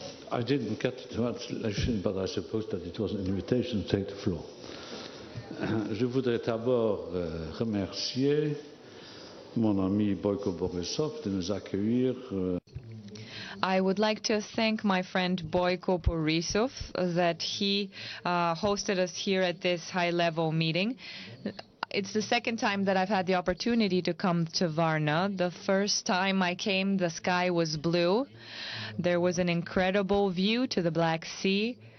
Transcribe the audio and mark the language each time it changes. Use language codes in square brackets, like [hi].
[en] I didn't get the translation, but I suppose that it was an invitation to take the floor. [fr] Je voudrais d'abord remercier mon ami Boyko Borisov de nous accueillir. [en] I would like to thank my friend Boyko Borisov that he hosted us here at this high-level meeting. It's the second time that I've had the opportunity to come to Varna. The first time I came, the sky was blue. There was an incredible view to the Black Sea.